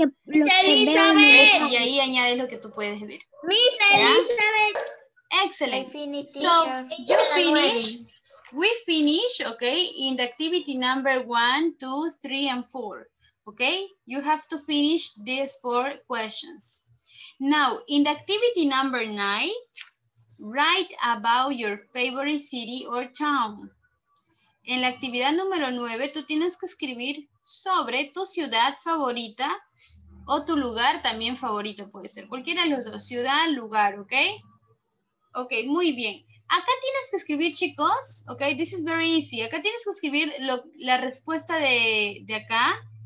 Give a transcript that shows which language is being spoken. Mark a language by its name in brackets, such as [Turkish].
[Spanish] Y ahí añades lo que tú puedes ver. [English] Miss Elizabeth. Excellent. So, you finish. We finish, okay, in the activity number 1, 2, 3, and 4. Okay, you have to finish these 4 questions. Now, in the activity number 9, write about your favorite city or town. [Spanish] En la actividad número 9, tú tienes que escribir sobre tu ciudad favorita o tu lugar también favorito, puede ser cualquiera de los dos, ciudad, lugar, ¿ok? Ok, muy bien. Acá tienes que escribir, chicos, ok, this is very easy. Acá tienes que escribir la respuesta de acá.